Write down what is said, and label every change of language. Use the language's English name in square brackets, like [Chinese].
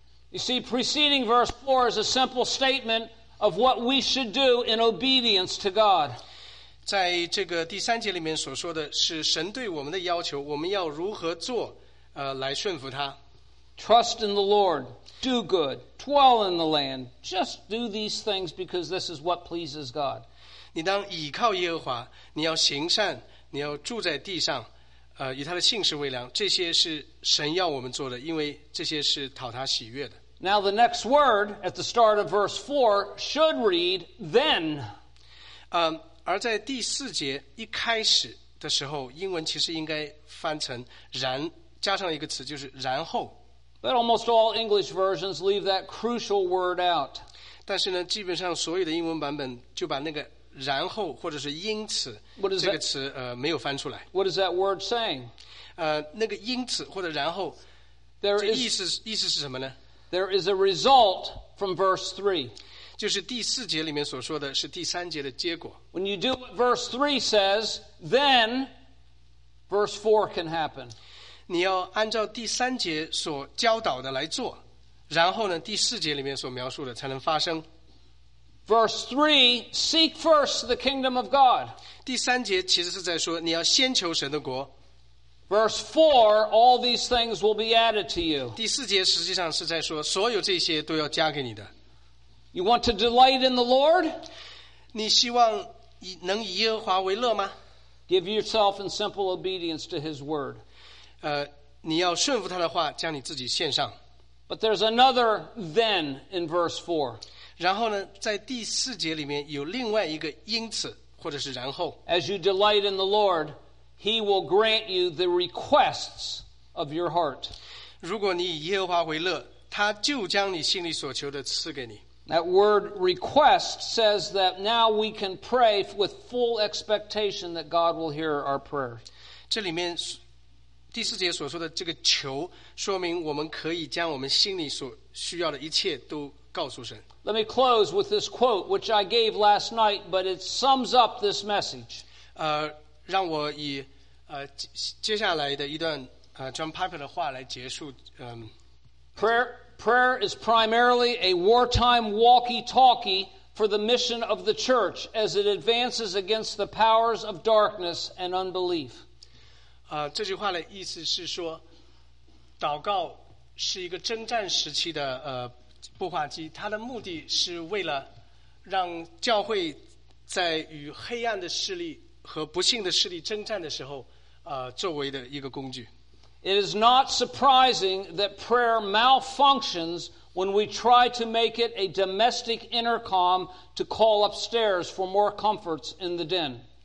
[English] You see, preceding verse 4 is a simple statement of what we should do in obedience to God. [Chinese] 在这个第三节里面所说的是神对我们的要求，我们要如何做，来顺服他。 [English] Trust in the Lord. Do good. Dwell in the land. Just do these things because this is what pleases God. [Chinese] 你当倚靠耶和华，你要行善，你要住在地上，与他的信实为粮。这些是神要我们做的，因为这些是讨他喜悦的。 [English] Now the next word at the start of verse 4 should read then. [Chinese] 而在第四节一开始的时候，英文其实应该翻成然，加上一个词就是然后。 [English] But almost all English versions leave that crucial word out. [Chinese] 但是呢，基本上所有的英文版本就把那个然后或者是因此这个词没有翻出来。 [English] What is that word saying? [Chinese] 那个因此或者然后，这意思是什么呢？ [English] There is a result from verse 3. [Chinese] 就是第四节里面所说的是第三节的结果。 [English] When you do what verse 3 says, then verse 4 can happen. [Chinese] 你要按照第三节所教导的来做，然后呢，第四节里面所描述的才能发生。 [English] Verse 3, seek first the kingdom of God. [Chinese] 第三节其实是在说你要先求神的国。 [English] Verse 4, all these things will be added to you. [Chinese] 第四节实际上是在说所有这些都要加给你的。 [English] You want to delight in the Lord? [Chinese] 你希望能以耶和华为乐吗？ [English] Give yourself in simple obedience to his word. [Chinese] 你要顺服他的话，将你自己献上。 [English] But there's another then in verse 4. [Chinese] 然后呢，在第四节里面有另外一个因此或者是然后。 [English] As you delight in the Lord,He will grant you the requests of your heart. [Chinese] 如果你以耶和华为乐，他就将你心里所求的赐给你。 [English] That word request says that now we can pray with full expectation that God will hear our prayer. [Chinese] 这里面第四节所说的这个求，说明我们可以将我们心里所需要的一切都告诉神。 [English] Let me close with this quote, which I gave last night, but it sums up this message. [Chinese] 让我以接下来的一段John Piper 的话来结束。 [English] Prayer is primarily a wartime walkie-talkie for the mission of the church as it advances against the powers of darkness and unbelief. [Chinese] 这句话的意思是说，祷告是一个征战时期的步话机，它的目的是为了让教会在与黑暗的势力和不幸的势力征战的时候，作为的一个工具。 [English] It is not surprising that prayer malfunctions when we try to make it a domestic intercom to call upstairs for more comforts in the den.